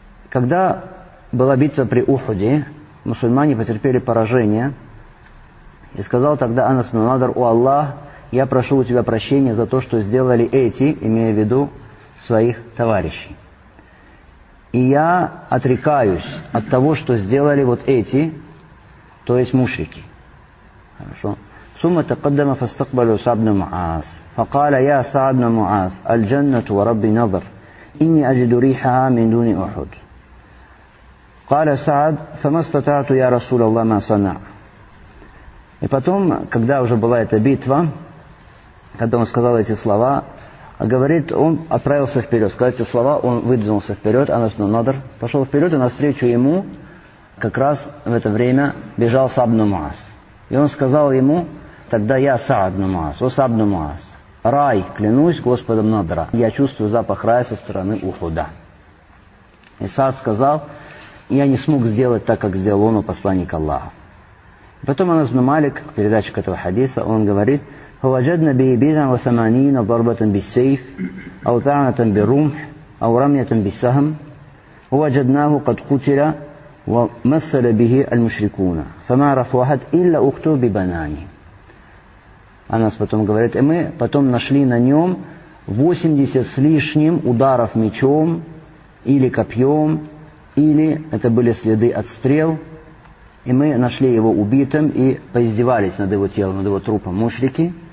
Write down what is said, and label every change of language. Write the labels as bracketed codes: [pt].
[ru] Когда была битва при Ухуде, мусульмане потерпели поражение, и сказал тогда Анас ибн Надр: «О Аллах, я прошу у тебя прощения за то, что сделали эти, имея в виду своих товарищей. И я отрекаюсь от того, что сделали вот эти, то есть мушрики». Хорошо. [ar] ثُمَّ تَقَدَّمَ فَاسْتَقْبَلُوا سَعْدَ بْنَ مُعَاذٍ فقال يا سعد بن معاذ الجنة وربي نظر إني أجد ريحها من دون أحد. قال سعد فما استطعت يا رسول الله ما صنع. [ru] И потом, когда уже была эта битва, когда он сказал эти слова, говорит, он отправился вперед. Сказал эти слова, он выдвинулся вперед, Анас ибн Надр пошел вперед, и навстречу ему как раз в это время бежал Саад ибн Муаз. И он сказал ему, тогда я Саад ибн Муаз, о Саад ибн Муаз. Рай, клянусь Господом Надра, я чувствую запах рая со стороны Ухуда. И Саад сказал, я не смог сделать так, как сделал он, посланник Аллаха. Потом Анас ибн Малик, к передаче этого хадиса, он говорит: [ar] فَوَجَدْنَا بِهِ بِضْعًا وَثَمَانِينَ ضَرْبَةً بِالسَّيْفِ أَوْ طَعْنَةً بِالرُّمْحِ أَوْ رَمْيَةً بِالسَّهْمِ وَوَجَدْنَاهُ قَدْ قُتِلَ وَمَثَّلَ بِهِ الْمُشْرِكُونَ فَمَا عَرَفَ أَحَدٌ إِلَّا أُخْتُهُ بِبَنَانِهِ. [ru] Анас потом говорит, и мы потом нашли на нем 80 с лишним ударов мечом или копьем, или это были следы от стрел. И мы нашли его убитым и поиздевались над его телом, над его трупом мушрики.